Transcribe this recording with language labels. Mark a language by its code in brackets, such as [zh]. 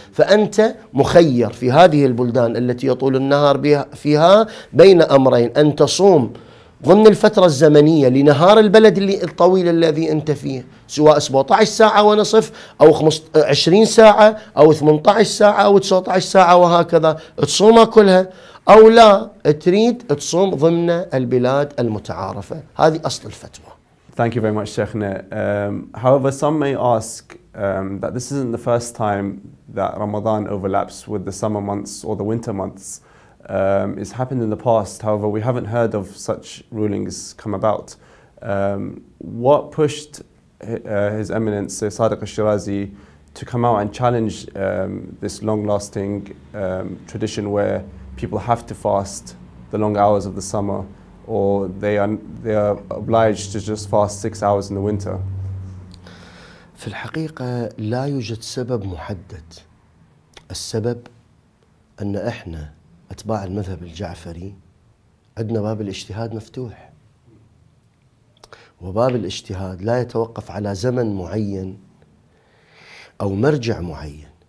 [ar] فأنت مخير في هذه البلدان التي يطول النهار فيها بين أمرين: أن تصوم ضمن الفترة الزمنية لنهار البلد اللي الطويل الذي أنت فيه سواء 17 ساعة ونصف أو 20 ساعة أو 18 ساعة أو 19 ساعة وهكذا، تصومها كلها، أو لا تريد تصوم ضمن البلاد المتعارفة. هذه أصل الفتوى. [en] Thank you very much, Sheikhna. However, some may ask that this isn't the first time that Ramadan overlaps with the summer months or the winter months. It's happened in the past, however, we haven't heard of such rulings come about. What pushed His Eminence Sayed Sadiq al-Shirazi to come out and challenge this long-lasting tradition where people have to fast the long hours of the summer, or they are obliged to just fast 6 hours in the winter? [ar] في الحقيقة لا يوجد سبب محدد. السبب أن إحنا أتباع المذهب الجعفري عندنا باب الاجتهاد مفتوح، وباب الاجتهاد لا يتوقف على زمن معين أو مرجع معين.